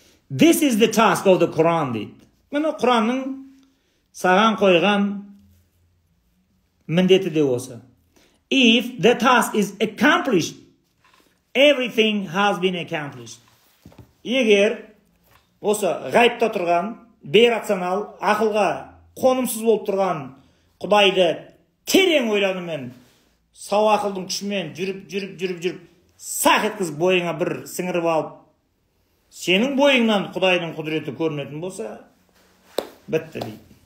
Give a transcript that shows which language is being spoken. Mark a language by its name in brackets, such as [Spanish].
[English] This is the task of the Quran, [Kazakh] дейді. Мен Құранның саған қойған міндеті де осы. [English] If the task is accomplished, everything has been accomplished. [Kazakh] Егер осы ғайыпта тұрған, бейрационал, ақылға қонымсыз болып тұрған құдайды терең ойланумен, сау ақылдың күшімен жүріп, сақ еткіз бойыңа бір сіңіріп алып, сенің бойыңнан Құдайдың құдіреті көрінетін болса, бітті дейді.